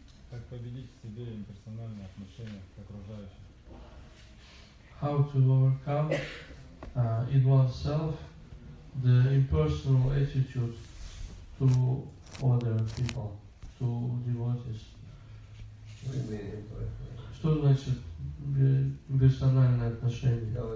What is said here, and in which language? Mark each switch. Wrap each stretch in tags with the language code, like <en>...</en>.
<ru>Как победить в себе имперсональные отношения к окружающим?</ru> <en>How to overcome in oneself the impersonal attitude to other people, to devotees?</en> <ru>Что значит персональное отношение?</ru>